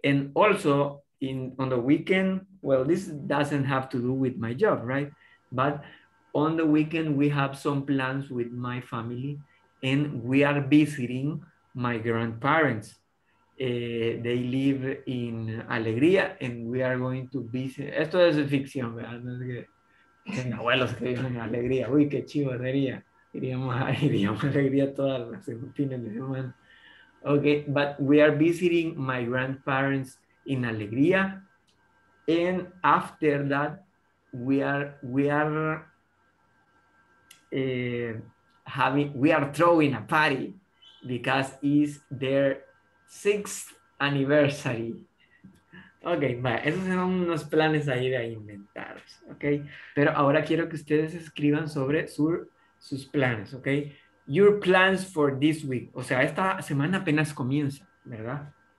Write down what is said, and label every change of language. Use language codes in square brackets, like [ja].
[en] And also, on the weekend, well, this doesn't have to do with my job, right? But on the weekend, we have some plans with my family and we are visiting my grandparents. They live in Alegría and we are going to visit. [es] Esto es ficción, ¿verdad? No es que mis abuelos que viven en Alegría. Uy, qué chivo sería. Iríamos a Alegría todas las fines de semana. [en] Okay, but we are visiting my grandparents in Alegría. And after that, we are throwing a party. Because it's their 6th anniversary. [es] Ok, vale, esos son unos planes ahí de inventados, ok. Pero ahora quiero que ustedes escriban sobre sus planes, ok. [en] Your plans for this week. [es] O sea, esta semana apenas comienza, ¿verdad?